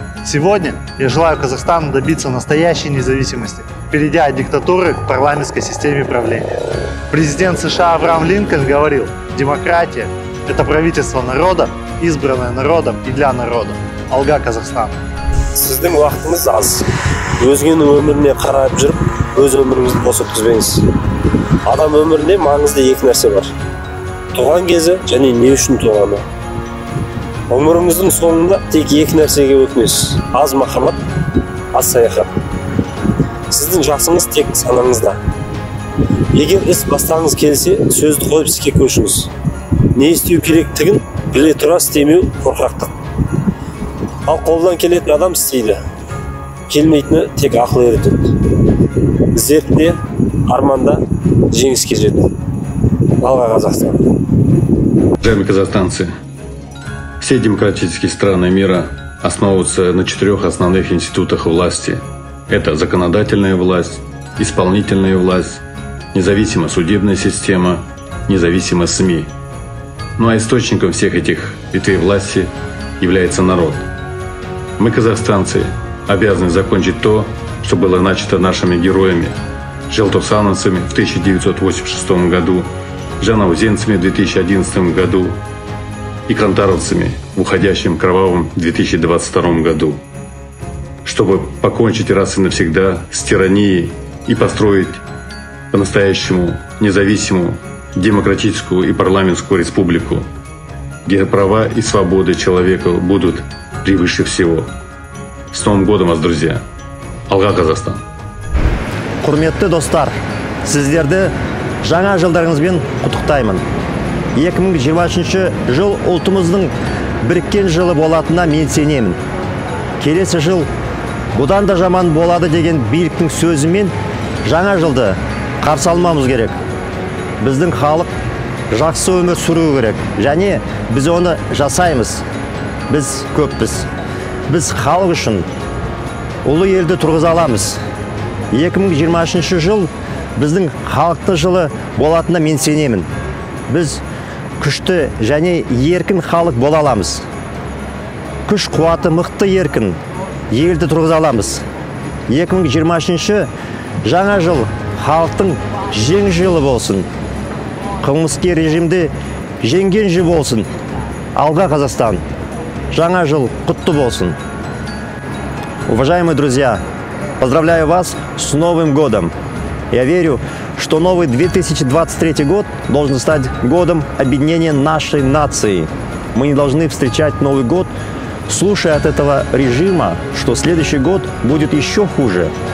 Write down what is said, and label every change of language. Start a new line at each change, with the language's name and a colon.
Russian: Сегодня я желаю Казахстану добиться настоящей независимости, перейдя от диктатуры к парламентской системе правления. Президент США Авраам Линкольн говорил: «Демократия – это правительство народа, избранное народом и для народа».
Kazakh: Алга, Казахстан! Сіздің уақытыңыз аз. Өзгенің өміріне қарап жүріп, өз өміріңізді бос өткізбеңіз. Адам өмірінде маңызды екі нәрсе бар. Туған кезі және не үшін туғаны. Өміріңіздің соңында тек екі нәрсеге өтінесіз. Аз махаббат, аз саяхат. Сіздің жасыңыз тек санаңызда. Егер іс бастағыңыз келсе, сөзді қойып іске көшіңіз. Не істеу керектігін біле тұра істемеу қорқақтық. Ал қолдан келетін адам істейді. Келмейтіні тек ақыл үйретеді. Зерттеп, арманда жеңіске жетті. Алға Қазақстан!
Russian: Уважаемые казахстанцы, все демократические страны мира основываются на четырех основных институтах власти. Это законодательная власть, исполнительная власть, независимая судебная система, независимая СМИ. Ну а источником всех этих ветвей власти является народ. Мы, казахстанцы, обязаны закончить то, что было начато нашими героями – желтосановцами в 1986 году, жанаузенцами в 2011 году и кантаровцами в уходящем кровавом 2022 году, чтобы покончить раз и навсегда с тиранией и построить по-настоящему независимую демократическую и парламентскую республику, где права и свободы человека будут превыше всего. С Новым годом вас, друзья!
Kazakh: Алға Қазақстан! Құрметті достар, сіздерді жаңа жылдарыңызбен құттықтаймын. 2023 жыл ұлтымыздың біріккен жылы болатынына мен сенемін. Келесі жыл бұдан да жаман болады деген биліктің сөзімен жаңа жылды қарсы алмамыз керек. Біздің халық жақсы өмір сүруі керек, және біз оны жасаймыз. Біз көппіз. Біз халық үшін ұлы елді тұрғыза аламыз. 2023 жыл біздің халықты жылы болатынына мен сенемін. біз күшті және еркін халық бола аламыз. Күш қуаты мықты еркін елді тұрғыза аламыз. 2023 жаңа жыл халықтың жең жылы болсын. Қылмыскер режимді женген жыл болсын. Алға Қазақстан. Жаңа жыл құтты болсын.
Russian: Уважаемые друзья, поздравляю вас с Новым годом. Я верю, что новый 2023 год должен стать годом объединения нашей нации. Мы не должны встречать Новый год, слушая от этого режима, что следующий год будет еще хуже.